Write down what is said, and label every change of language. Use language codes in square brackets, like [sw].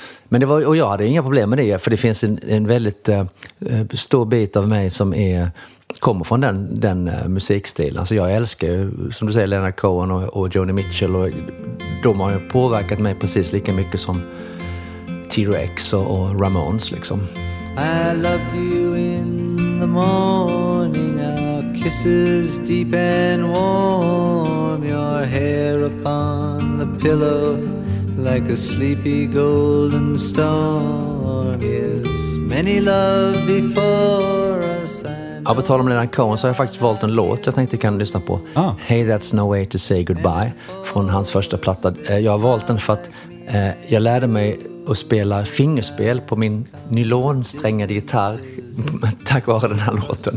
[sv] Men det var, och jag hade inga problem med det, för det finns en väldigt stor bit av mig som är, kommer från den musikstilen. Alltså jag älskar ju, som du säger, Leonard Cohen och Joni Mitchell, och de har ju påverkat mig precis lika mycket som T-Rex och Ramones liksom. [en] I loved you in the morning, our kisses deep and warm, your hair upon the pillow like a sleepy golden storm. Yes, many love before us. [sv] Ja, på tal om Leonard Cohen så har jag faktiskt valt en låt jag tänkte kan lyssna på. Hey, That's No Way to Say Goodbye från hans första platta. Jag har valt den för att jag lärde mig och spela fingerspel på min nylonsträngade gitarr tack vare den här låten.